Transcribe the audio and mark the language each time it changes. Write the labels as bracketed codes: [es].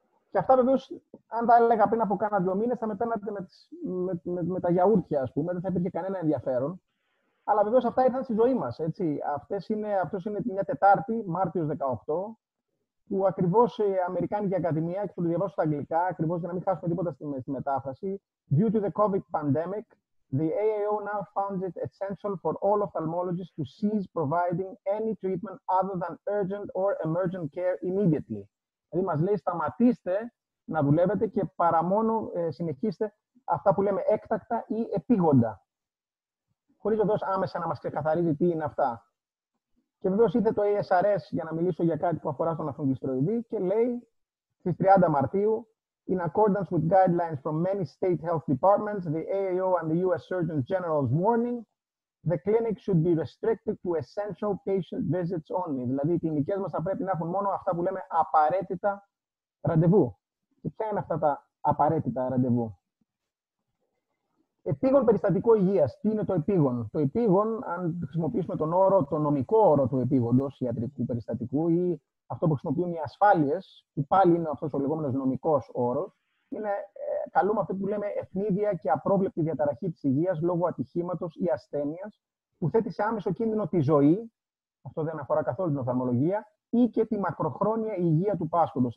[el] Και αυτά βεβαίως, αν τα έλεγα πριν από κάνα δύο μήνες, θα με παίρνατε με τα γιαούρτια, ας πούμε, δεν θα υπήρχε κανένα ενδιαφέρον. Αλλά βεβαίως αυτά ήρθαν στη ζωή μας. Αυτός είναι μια Τετάρτη, Μάρτιος 18, που ακριβώς η Αμερικάνικη Ακαδημία, και θα το διαβάσω στα αγγλικά, ακριβώς για να μην χάσουμε τίποτα στη μετάφραση. [en] Due to the COVID pandemic, the AAO now found it essential for all ophthalmologists to cease providing any treatment other than urgent or emergent care immediately. [el] Δηλαδή μας λέει σταματήστε να δουλεύετε και παρά μόνο συνεχίστε αυτά που λέμε έκτακτα ή επίγοντα. Χωρίς βεβαίως άμεσα να μας ξεκαθαρίζει τι είναι αυτά. Και βεβαίως είδε το ASRS για να μιλήσω για κάτι που αφορά στον αφουγγιστροειδή και λέει στις 30 Μαρτίου [en] in accordance with guidelines from many state health departments, the AAO and the US Surgeon General's warning, the clinic should be restricted to essential patient visits only. [el] Δηλαδή, οι κλινικές μας θα πρέπει να έχουν μόνο αυτά που λέμε απαραίτητα ραντεβού. Και ποια είναι αυτά τα απαραίτητα ραντεβού? Επίγον περιστατικό υγείας. Τι είναι το επίγον? Το επίγον, αν χρησιμοποιήσουμε τον όρο, τον νομικό όρο του επίγοντος ιατρικού περιστατικού ή αυτό που χρησιμοποιούν οι ασφάλειες, που πάλι είναι αυτός ο λεγόμενος νομικός όρος, είναι καλούμε αυτό που λέμε εθνίδια και απρόβλεπτη διαταραχή της υγείας λόγω ατυχήματος ή ασθένειας που θέτει σε άμεσο κίνδυνο τη ζωή, αυτό δεν αφορά καθόλου την οφθαλμολογία, ή και τη μακροχρόνια υγεία του πάσχοντος.